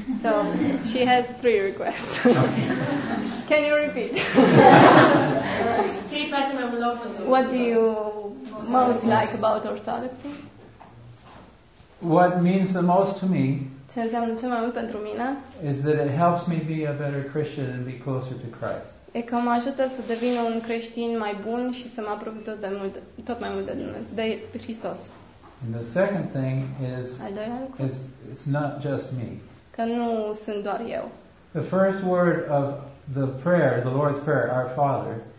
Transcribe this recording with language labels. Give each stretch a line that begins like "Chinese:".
English: So, she has three requests. Can you repeat?
Romanian: Ce îi place mai mult la ortodoxie?
English: What do you most like about orthodoxy? What means the most to me?
Romanian: Ce înseamnă cel mai mult pentru mine?
English: Is that it helps me be a better Christian and be closer to Christ.
Romanian: E că mă ajută să devin un creștin mai bun și să mă apropii tot mai mult de Dumnezeu, de Hristos.
English: And the second thing is, it's not just me.
Romanian: Că nu sunt doar eu.
English: The first word of the prayer, the Lord's Prayer, our Father,